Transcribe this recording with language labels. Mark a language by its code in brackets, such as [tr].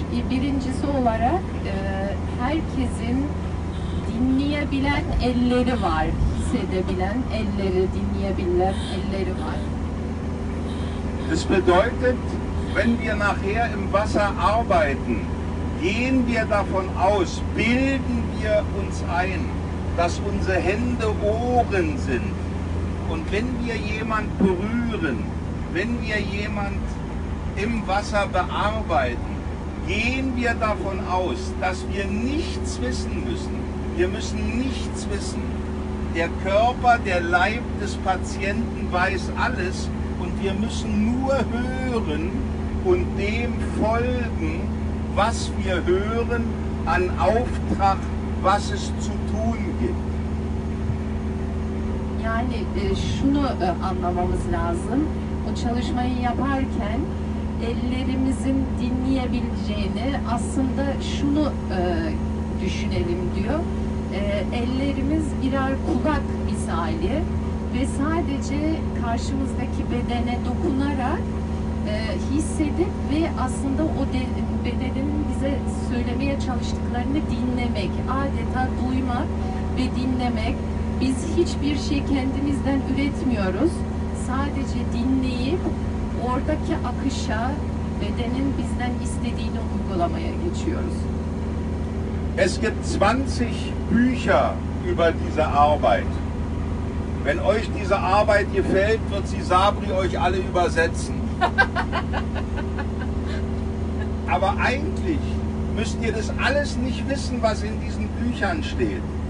[tr] Birincisi olarak herkesin dinleyebilen elleri var. hissedebilen, elleri dinleyebilen elleri var. [de] Das bedeutet, wenn wir nachher im Wasser arbeiten, gehen wir davon aus, bilden wir uns ein, dass unsere Hände Ohren sind. Und wenn wir jemand berühren, wenn wir jemand im Wasser bearbeiten, gehen wir davon aus, dass wir nichts wissen müssen. Wir müssen nichts wissen. Der Körper, der Leib des Patienten weiß alles und wir müssen nur hören und dem folgen, was wir hören an Auftrag, was es zu tun gibt. [tr] Yani şunu anlamamız lazım. O çalışmayı yaparken ellerimizin dinleyebileceğini aslında şunu düşünelim diyor. Ellerimiz birer kulak misali ve sadece karşımızdaki bedene dokunarak hissedip ve aslında o bedenin bize söylemeye çalıştıklarını dinlemek, adeta duymak ve dinlemek. Biz hiçbir şey kendimizden üretmiyoruz. Sadece dinleyip oradaki akışa, bedenin bizden istediğini uygulamaya geçiyoruz. [de] Es gibt 20 Bücher über diese Arbeit. Wenn euch diese Arbeit gefällt, wird sie Sabri euch alle übersetzen. Aber eigentlich müsst ihr das alles nicht wissen, was in diesen Büchern steht.